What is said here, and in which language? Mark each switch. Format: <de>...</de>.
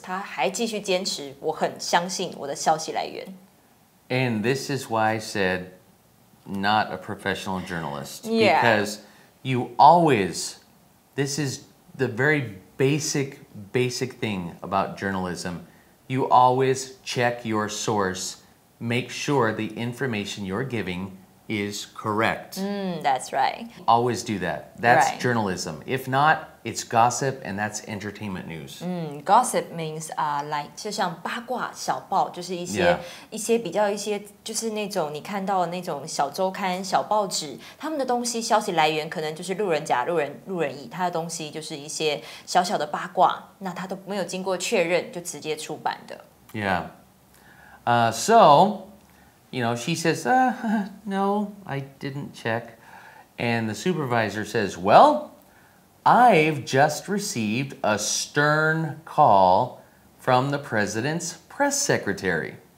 <zh>他还继续坚持，我很相信我的消息来源。</zh> <en>And this is why I said not a professional journalist. Yeah. Because you always, this is the very basic thing about journalism. You always check your source. Make sure the information you're giving is correct. That's right. Always do that. That's right. Journalism. If not, it's gossip and that's entertainment news.</en> <zh>Gossip means, like, 就像八卦小报，就是一些、yeah. 一些比较一些，就是那种你看到的那种小周刊、小报纸，他们的东西消息来源可能就是路人甲、路人乙，他的东西就是一些小小的八卦，那他都没有经过确认就直接出版的。</zh> <en>Yeah. So, you know, she says, no, I didn't check. And the supervisor says, well, I've just received a stern call from the president's press secretary.</en>